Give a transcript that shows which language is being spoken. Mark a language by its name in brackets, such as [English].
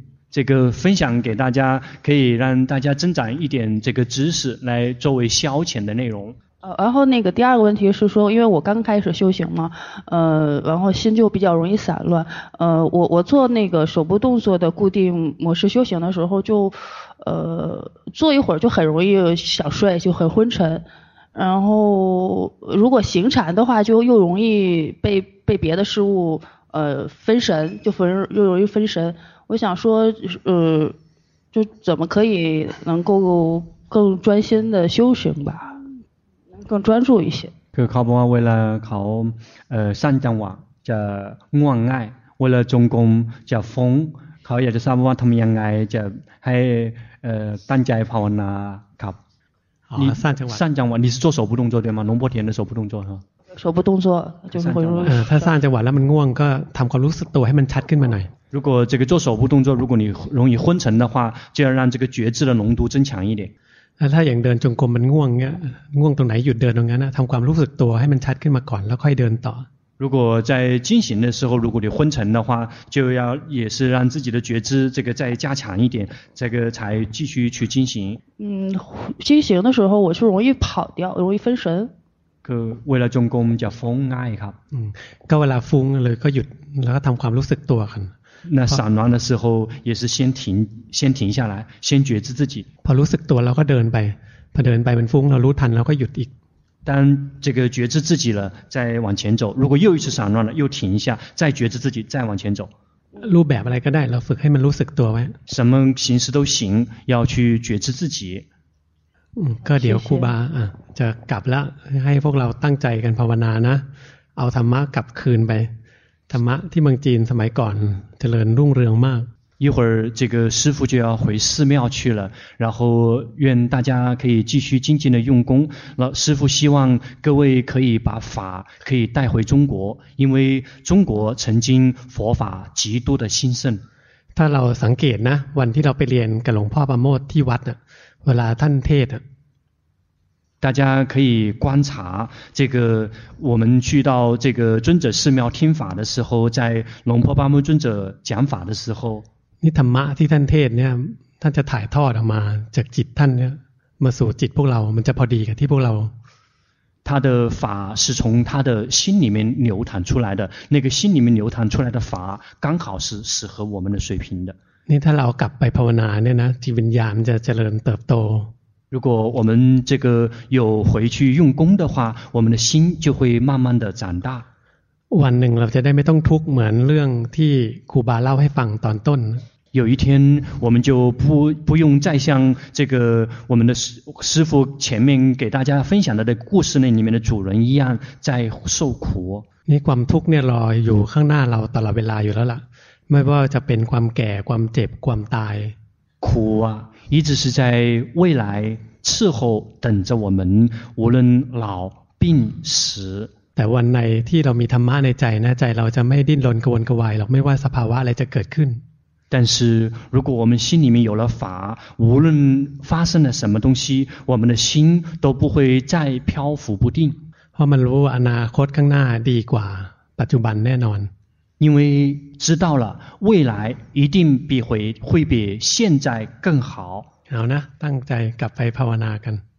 [Chinese] ๆ这个分享给大家可以让大家增长一点这个知识来作为消遣的内容然后那个第二个问题是说因为我刚开始修行嘛然后心就比较容易散乱我做那个手部动作的固定模式修行的时候就坐一会儿就很容易想睡就很昏沉然后如果行禅的话就又容易被别的事物分神就分又容易分神我想说就怎么可以能够更专心的修行吧更专注一些 [Thai] คือเขาบอกว่าเวลาเขาสั้นจังหวะจะง่วงง่ายเวลาจงกรมจะฟุ้งเขาอยากจะทราบว่าทำยังไงจะให้ตั้งใจภาวนาครับ นี่สั้นจังหวะ [Chinese] สั้นจังหวะ你是做手部动作对吗龙波田的手部动作哈手部动作就是会 [Thai] ถ้าสั้นจังหวะแล้วมันง่วงก็ทำความรู้สึกตัวให้มันชัดขึ้นมาหน่อย [Chinese] 如果这个做手部动作如果你容易昏沉的话就要让这个觉知的浓度增强一点 [Thai] ถ้าอย่างเดินจงกรมมันง่วงเงี้ยง่วงตรงไหนหยุดเดินตรงนั้นนะทำความรู้สึกตัวให้มันชัดขึ้นมาก่อนแล้วค่อยเดินต่อ [Chinese] 如果在进行的时候如果你昏沉的话就要也是让自己的觉知这个再加强一点这个才继续去进行进行的时候我就容易跑掉容易分神 [Thai] ก็เวลาจงกรมจะฟุ้งง่ายครับ ก็เวลาฟุ้งเลยก็หยุดแล้วก็ทำความรู้สึกตัวกัน [Chinese] 那散乱的时候也是先停下来先觉知自己 [Thai] พอรู้สึกตัวแล้วก็เดินไปพอเดินไปมันฟุ้งเรารู้ทันแล้วก็หยุดอีก [Chinese] 当这个觉知自己了再往前走如果又一次散乱了又停下再觉知自己再往前走 [Thai] รูปแบบอะไรก็ได้เราฝึกให้มันรู้สึกตัวไว้ [Chinese] 什么形式都行要去觉知自己 [Thai] ก็เดี๋ยวครูบาจะกลับแล้วให้พวกเราตั้งใจกันภาวนานะเอาธรรมะกลับคืนไปธรรมะที่เมืองจีนสมัยก่อนเจริญรุ่งเรืองมาก [Chinese] 一会儿这个师父就要回寺庙去了然后愿大家可以继续精进的用功那师父希望各位可以把法可以带回中国因为中国曾经佛法极度的兴盛 [Thai] ถ้าเราสังเกตนะวันที่เราไปเรียนกับหลวงพ่อประโมทที่วัดเวลาท่านเทศ [Chinese] 大家可以观察这个我们去到这个尊者寺庙听法的时候在龙婆巴木尊者讲法的时候 [Thai] นี่ธรรมะที่ท่านเทศเนี่ยท่านจะถ่ายทอดออกมาจากจิตท่านเนี่ยมาสู่จิตพวกเรามันจะพอดีกับที่พวกเรา [Chinese] 他的法是从他的心里面流淌出来的那个心里面流淌出来的法刚好是适合我们的水平的 [Thai] นี่ถ้าเรากลับไปภาวนาเนี่ยนะจิตวิญญาณจะเจริญเติบโต [Chinese] 如果我们这个有回去用功的话我们的心就会慢慢的长大 [Thai] วันหนึ่งเราจะได้ไม่ต้องทุกข์เหมือนเรื่องที่ครูบาเล่าให้ฟังตอนต้น [Chinese] 有一天我们就不用再像这个我们的师父前面给大家分享的故事那里面的主人一样在受苦 [Thai] นี่ความทุกข์เนี่ยรออยู่ข้างหน้าเราตลอดเวลาอยู่แล้วล่ะไม่ว่าจะเป็นความแก่ความเจ็บความตาย [Chinese] 苦啊一直是在未来伺候等着我们无论老病死 [Thai] แต่วันไหนที่เรามีธรรมะในใจนะใจเราจะไม่ดิ้นรนกระวนกระวายหรอกไม่ว่าสภาวะอะไรจะเกิดขึ้น [Chinese] 但是如果我们心里面有了法无论发生了什么东西我们的心都不会再漂浮不定 [Thai] เพราะมันรู้อนาคตข้างหน้าดีกว่าปัจจุบันแน่นอน [Chinese] 因为知道了未来一定比会比现在更好 [Thai] 好呢ตั้งใจกลับไปภาวนากัน